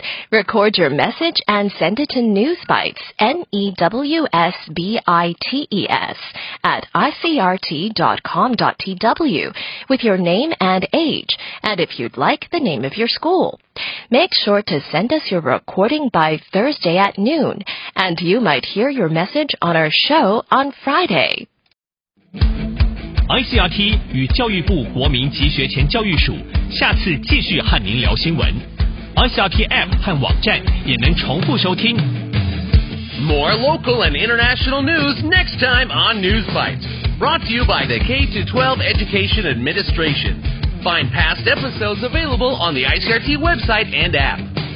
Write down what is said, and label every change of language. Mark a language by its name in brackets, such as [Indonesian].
[English] Record your message and send it to NewsBites, NewsBites, at icrt.com.tw with your name and age, and if you'd like, the name of your school. Make sure to send us your recording by Thursday at noon, and you might hear your message on our show on Friday. [Chinese] ICRT 与教育部国民及学前教育署下次继续和您聊新闻。 ICRT App 和网站也能重复收听。 [English] More local and international news next time on News Bites. Brought to you by the K-12 Education Administration. Find past episodes available on the ICRT website and app.